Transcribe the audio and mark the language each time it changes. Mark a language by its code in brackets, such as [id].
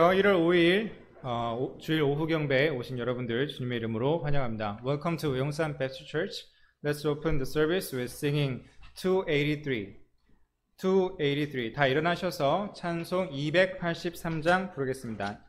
[ko] 1월 5일 주일 오후 경배에 오신 여러분들 주님의 이름으로 환영합니다. [en] Welcome to 용산 Baptist Church. Let's open the service with singing 283. 283. [ko] 다 일어나셔서 찬송 283장 부르겠습니다.